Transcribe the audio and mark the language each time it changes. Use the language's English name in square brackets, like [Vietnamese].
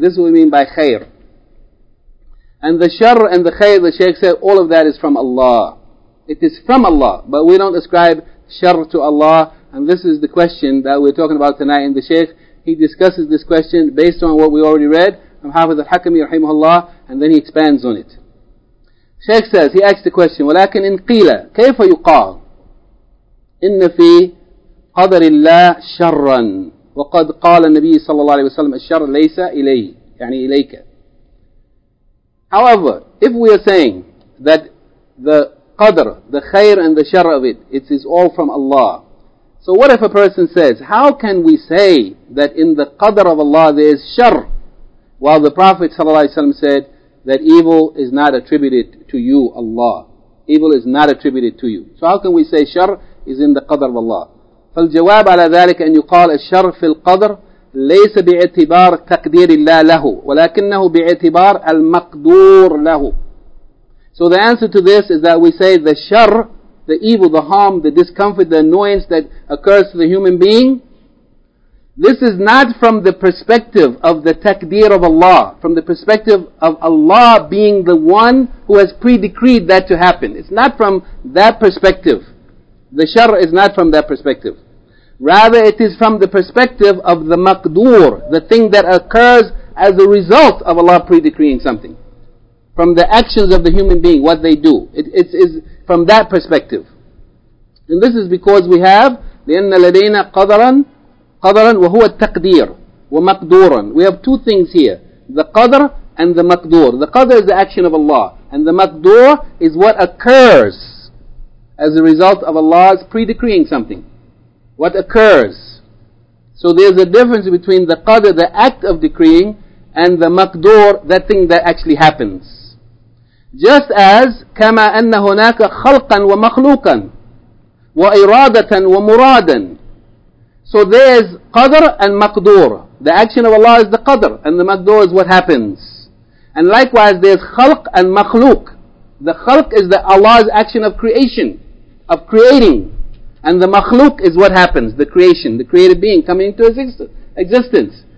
[English] This is what we mean by khair. And the shar and the khayr, the shaykh said, all of that is from Allah. It is from Allah, but we don't ascribe shar to Allah. And this is the question that we're talking about tonight. And the shaykh, he discusses this question based on what we already read from Hafiz al-Hakami, rahimahullah, and then he expands on it. Shaykh says, he asks the question, [Arabic] وَلَكِنْ إِنْ قِيلَ كَيْفَ يُقَالُ إِنَّ فِي قَدَرِ اللَّهِ شَرًّا وَقَدْ قَالَ النَّبِيِّ صَلَّى اللَّهُ عَلَيْهِ وَسَلَّمَ الشَّرَّ لَيْسَ إِلَيْهِ يعني إِلَيْكَ. [English] However, if we are saying that the qadr, the khair and the shar of it, it is all from Allah. So what if a person says, how can we say that in the qadr of Allah there is shar, while the Prophet ﷺ said that evil is not attributed to you, Allah. Evil is not attributed to you. So how can we say shar is in the qadr of Allah? [Arabic] فالجواب على ذلك أن يقال الشر في القدر ليس باعتبار تقدير الله له ولكنه باعتبار المقدور له. [English] So the answer to this is that we say the shar, the evil, the harm, the discomfort, the annoyance that occurs to the human being, this is not from the perspective of the taqdeer of Allah, from the perspective of Allah being the one who has pre-decreed that to happen. It's not from that perspective. The shar is not from that perspective. Rather, it is from the perspective of the maqdoor, the thing that occurs as a result of Allah pre-decreeing something. From the actions of the human being, what they do. It is from that perspective. And this is because we have, [Arabic] لِأَنَّ لَدَيْنَا قَدَرًا قَدَرًا وَهُوَ التَّقْدِيرُ وَمَقْدُورًا. [English] We have two things here. The qadr and the maqdoor. The qadr is the action of Allah. And the maqdoor is what occurs as a result of Allah's pre-decreeing something. What occurs. So there's a difference between the qadr, the act of decreeing, and the maqdur, that thing that actually happens. Just as [Arabic] كَمَا أَنَّ هُنَاكَ خَلْقًا وَمَخْلُوقًا وَإِرَادَةً وَمُرَادًا. [English] So there's qadr and maqdur. The action of Allah is the qadr, and the maqdur is what happens. And likewise there's khalq and makhluq. The khalq is the Allah's action of creation, of creating. And the makhluq is what happens, the creation, the created being coming into existence.